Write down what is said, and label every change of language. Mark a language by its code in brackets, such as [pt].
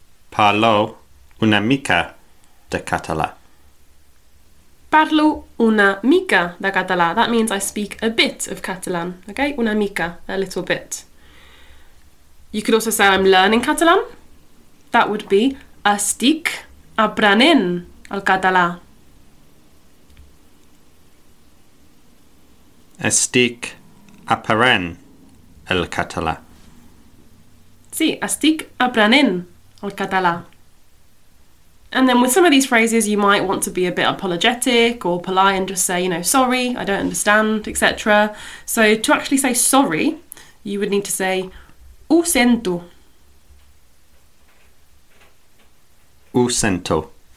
[ca] Parlo una mica da català. Parlo una mica da català. [en] That means I speak a bit of Catalan. Okay? [ca] Una mica, [en] a little bit. You could also say I'm learning Catalan. That would be [ca] Estic aprenent el català. Estic aprenent el català. Sí, estic aprenent el català. [en] And then with some of these phrases, you might want to be a bit apologetic or polite and just say, you know, sorry, I don't understand, etc. So to actually say sorry, you would need to say, [ca] ho sento. Ho sento.